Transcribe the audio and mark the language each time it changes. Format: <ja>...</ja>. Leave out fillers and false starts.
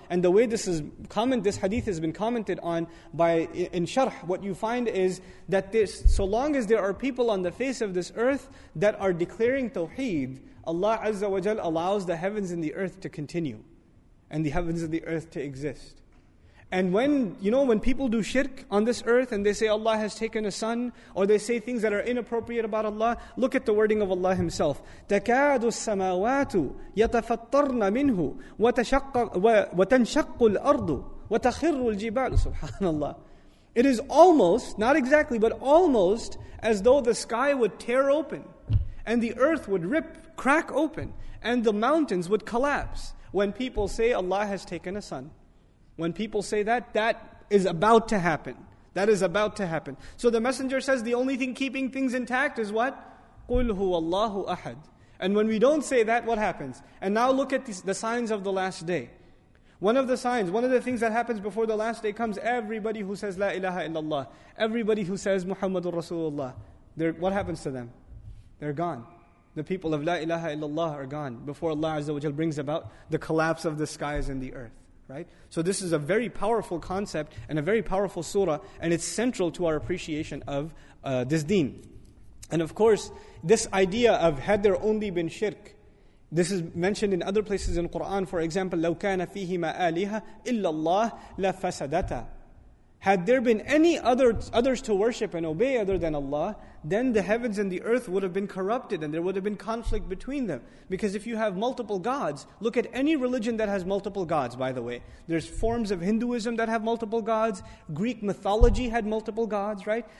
<en>And the way this hadith has been commented on by in sharh, what you find is that this, so long as there are people on the face of this earth that are declaring tawheed, Allah Azza wa Jal allows the heavens and the earth to continue and the heavens and the earth to exist. And when people do shirk on this earth and they say Allah has taken a son, or they say things that are inappropriate about Allah, look at the wording of Allah Himself.</en> <ar>تَكَادُ السَّمَاوَاتُ يَتَفَطَّرْنَ مِنْهُ وَتَنْشَقُّ الْأَرْضُ وَتَخِرُّ الْجِبَالُ Subhanallah.</ar> <en>It is almost, not exactly, but almost as though the sky would tear open and the earth would rip, crack open, and the mountains would collapse when people say Allah has taken a son. When people say that, that is about to happen. That is about to happen. So the Messenger says the only thing keeping things intact is what?</en> <ar>قُلْ هُوَ اللَّهُ أَحَدٌ.</ar> <en>And when we don't say that, what happens? And now look at the signs of the last day. One of the signs, one of the things that happens before the last day comes, everybody who says La ilaha illallah, everybody who says Muhammadur Rasulullah, what happens to them? They're gone. The people of La ilaha illallah are gone before Allah Azza wa Jal brings about the collapse of the skies and the earth. right? So this is a very powerful concept and a very powerful surah, and it's central to our appreciation of this deen. And of course, this idea of had there only been shirk, this is mentioned in other places in Quran. For example,</en> <ar>لَوْ كَانَ فِيهِمَا آلِهَا إِلَّا اللَّهِ لَفَسَدَتَا.</ar> <en>Had there been any others to worship and obey other than Allah, then the heavens and the earth would have been corrupted and there would have been conflict between them. Because if you have multiple gods, look at any religion that has multiple gods, by the way. There's forms of Hinduism that have multiple gods. Greek mythology had multiple gods, right?</en>